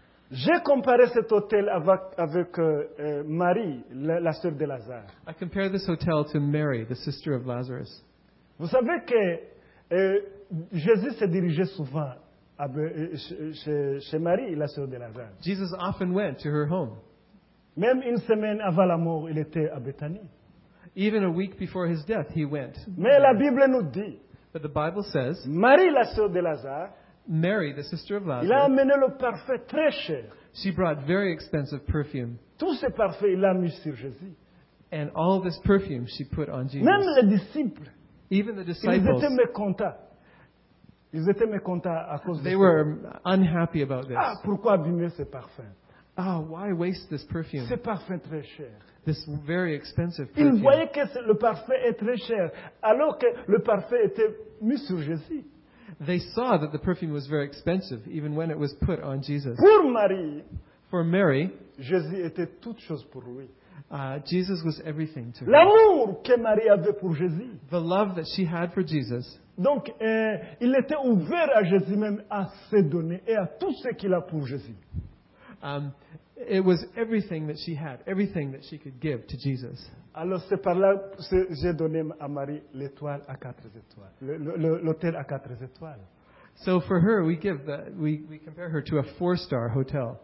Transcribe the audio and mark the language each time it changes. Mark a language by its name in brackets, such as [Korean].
[French] J'ai comparé cet hôtel avec Marie, la sœur de Lazare. [English] I compare this hotel to Mary, the sister of Lazarus. [French] Vous savez que Jésus s'est dirigé souvent chez Marie, la sœur de Lazare. [English] Jesus often went to her home. [French] Même une semaine avant la mort, il était à Béthanie. [English] Even a week before his death, he went. [French] Mais la Bible nous dit. [English] But the Bible says. [French] Marie, la sœur de Lazare. [English] Mary, the sister of Lazarus. [French] Il a amené le parfum très cher. [English] She brought very expensive perfume. [French] Tout ce parfum, il l'a mis sur Jésus. [English] And all this perfume she put on Jesus. [French] Même les disciples. [English] Even the disciples. [French] Ils étaient mécontents. Ils étaient mécontents à cause de. [English] They were unhappy about this. [French] Ah, pourquoi abîmer ce parfum? [English] Ah, why waste this perfume? [French] C'est parfum très cher. [English] This very expensive perfume. [French] Ils voyaient que le parfum est très cher, alors que le parfum était mis sur Jésus. [English] They saw that the perfume was very expensive, even when it was put on Jesus. [French] Pour Marie, [English] for Mary, [French] Jésus était toute chose pour lui. [English] Jesus was everything to her. [French] L'amour que Marie avait pour Jésus. [English] The love that she had for Jesus. [French] Donc, il était ouvert à Jésus même à se donner et à tout ce qu'il a pour Jésus. [English] It was everything that she had, everything that she could give to Jesus. [French] Alors c'est par là que j'ai donné à Marie l'étoile à quatre étoiles, l'hôtel à quatre étoiles. [English] So for her, we compare her to a four-star hotel.